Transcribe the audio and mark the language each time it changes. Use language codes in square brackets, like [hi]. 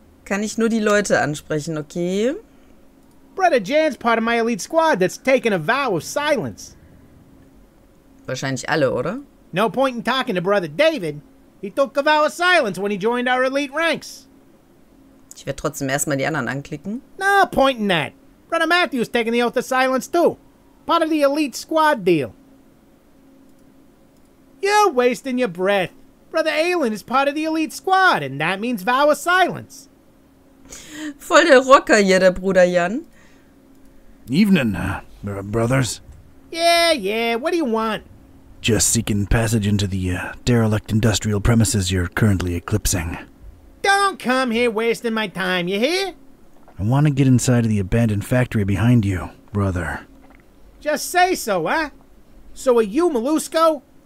[de] kann ich nur die Leute ansprechen, okay? [en] Brother Jan's part of my elite squad that's taken a vow of silence. [de] Wahrscheinlich alle, oder? [en] No point in talking to Brother David. He took a vow of silence when he joined our elite ranks. [de] Ich werde trotzdem erstmal die anderen anklicken. [en] No point in that. Brother Matthew's taking the oath of silence too. Part of the elite squad deal. You're wasting your breath. Brother Aelin is part of the elite squad, and that means vow of silence. [de] Voll der Rocker hier, der Bruder Jan. [en] Evening, brothers. Yeah, what do you want? Just seeking passage into the derelict industrial premises you're currently eclipsing. Don't come here wasting my time, you hear? I want to get inside of the abandoned factory behind you, brother. Just say so, huh? So are you Malusco?